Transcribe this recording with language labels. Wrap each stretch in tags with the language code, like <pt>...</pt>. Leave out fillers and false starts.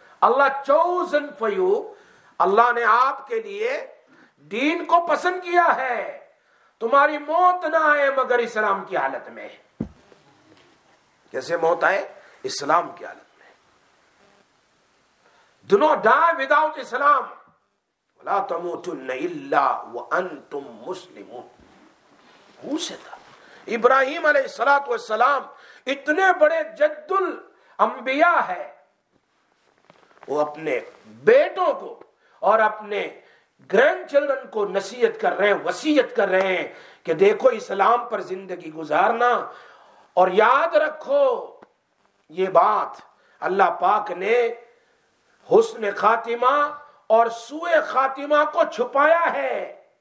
<ur>Allah</ur> <en>chosen for you,</en> <ur>اللہ نے آپ کے لیے دین کو پسند کیا ہے, تمہاری موت نہ آئے مگر اسلام کی حالت میں. کیسے موت آئے؟ اسلام کی حالت میں.</ur> <en>Do not die without Islam.</en> <ar>لا تموتن الا وانتم مسلمون.</ar> <ur>ہو سکتا ابراہیم علیہ الصلوۃ والسلام اتنے بڑے جد الانبیاء ہے, وہ اپنے بیٹوں کو اور اپنے گرینڈ چلڈرن کو نصیحت کر رہے ہیں, وصیت کر رہے ہیں کہ دیکھو اسلام پر زندگی گزارنا, اور یاد رکھو یہ بات, اللہ پاک نے حسن خاتمہ اور سوئے خاتمہ کو چھپایا ہے.</ur>